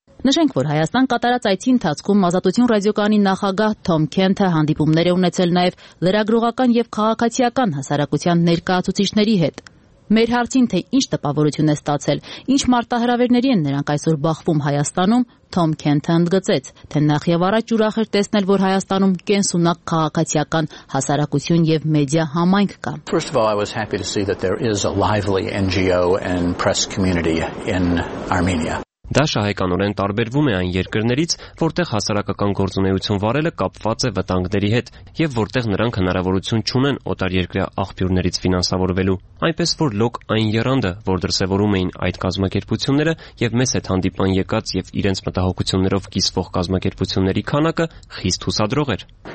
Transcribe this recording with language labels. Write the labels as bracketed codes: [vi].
[hy] Նշենք, որ Հայաստան կատարած այս ընթացքում Ազատություն ռադիոկանի նախագահ Թոմ Քենթը հանդիպումներ է ունեցել նաև լրագրողական և քաղաքացիական հասարակության ներկայացուցիչների հետ։ Մեր հարցին, թե ինչ տպավորություն է ստացել, ինչ մարտահրավերների են նրանք այսօր բախվում Հայաստանում, Թոմ Քենթը ընդգծեց, թե նախ եւ առաջ ուրախ էր տեսնել, որ Հայաստանում կենսունակ քաղաքացիական հասարակություն եւ մեդիա համայնք կա։ [en] First of all, I was happy to see that there is a lively NGO and press community in Armenia. [hy] Դա շահեկանորեն տարբերվում է այն երկրներից, որտեղ հասարակական գործունեություն վարելը կապված է վտանգների հետ և որտեղ նրանք հնարավորություն չունեն օտար երկրյա աղբյուրներից ֆինանսավորվելու, այնպես որ լոկ այն երանդը, որ դրսևորում էին այդ կազմակերպությունները և մեզ հետ հանդիպան եկած և իրենց մտահոգություններով կիսվող կազմակերպությունների քանակը խիստ հուսադրող էր։